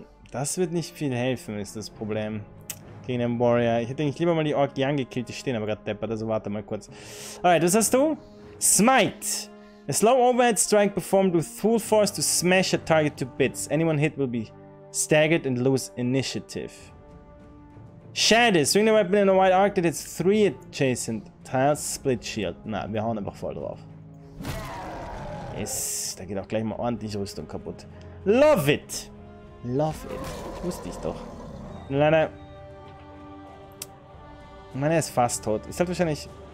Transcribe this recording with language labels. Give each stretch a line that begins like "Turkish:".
German: Das wird nicht viel helfen, ist das Problem. Gegen den Warrior. Ich hätte eigentlich lieber mal die Ork Yang gekillt. Die stehen aber gerade deppert, also warte mal kurz.
English: Alright,
German: was hast du?
English: Smite! A slow overhead strike performed with full force to smash a target to bits. Anyone hit will be staggered and lose initiative. Shadow, swing the weapon in a wide arc that hits three adjacent tiles, split shield.
German: Na, wir hauen einfach voll drauf. Yes, da geht auch gleich mal ordentlich Rüstung kaputt.
English: Love it! Love it.
German: Wusste ich doch. Leider. Ich meine, er ist fast tot. Ich sollte wahrscheinlich...